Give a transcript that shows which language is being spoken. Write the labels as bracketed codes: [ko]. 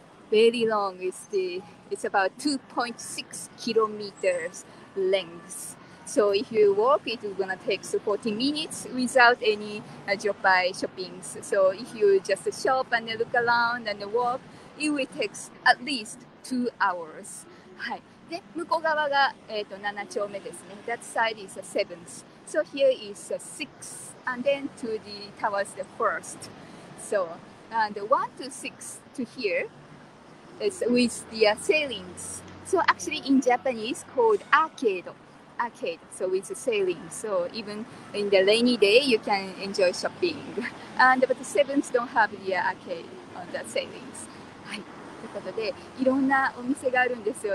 [en] Very long is the. It's about 2.6 kilometers length. So if you walk, it is going to take 40 minutes without any drop-by shopping. So if you just shop and look around and walk, it will take at least 2 hours. [ja] はい。で、向こう側が、7丁目ですね。 [en] That side is a 7th. So here is a 6th. And then to the towards the 1st. So and 1 to 6 to here. It's with the sailings. So actually in Japanese called arcade. Arcade, so with the sailings. So even in the rainy day, you can enjoy shopping. And but the sevens don't have the arcade on the sailings. [ja] はい。ということで、いろんなお店があるんですよ。